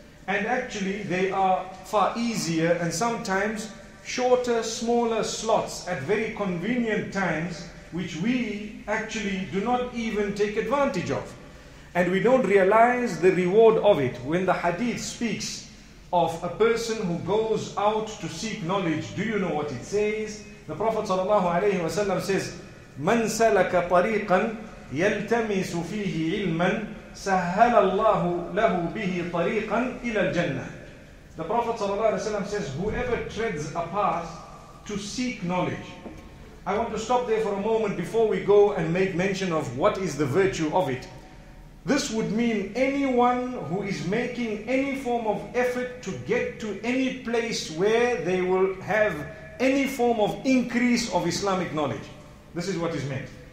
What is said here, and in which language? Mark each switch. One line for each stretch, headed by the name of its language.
English: And actually, they are far easier and sometimes shorter, smaller slots at very convenient times, which we actually do not even take advantage of. And we don't realize the reward of it. When the hadith speaks of a person who goes out to seek knowledge, do you know what it says? The Prophet sallallahu alayhi wa sallam says,
Arabic: مَنْ سَلَكَ طَرِيقًا يَلْتَمِسُ فِيهِ عِلْمًا سَهَّلَ اللَّهُ لَهُ بِهِ طَرِيقًا إِلَى الْجَنَّةِ.
English: The Prophet ﷺ says, whoever treads a path to seek knowledge. I want to stop there for a moment before we go and make mention of what is the virtue of it. This would mean anyone who is making any form of effort to get to any place where they will have any form of increase of Islamic knowledge. This is what is meant.